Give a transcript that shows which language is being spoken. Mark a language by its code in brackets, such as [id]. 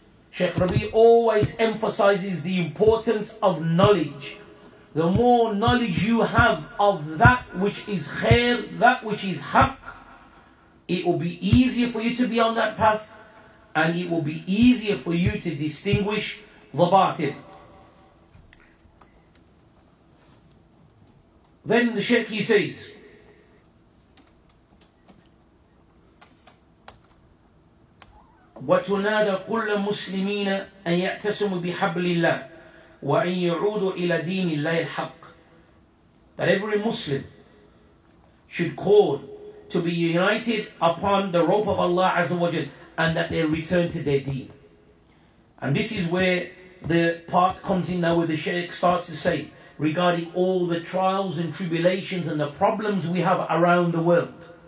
[en] Sheikh Rabi always emphasizes the importance of knowledge. The more knowledge you have of that which is khair, that which is haq, it will be easier for you to be on that path, and it will be easier for you to distinguish the batil. Then the Sheikh, he says, [ar] وتنادى كل مسلمين أن يعتصم بحبل الله وأن يعود إلى دين الله الحق. [en] That every Muslim should call to be united upon the rope of Allah Azza wa Jal, and that they return to their deen. And this is where the part comes in now, where the Shaykh starts to say regarding all the trials and tribulations and the problems we have around the world.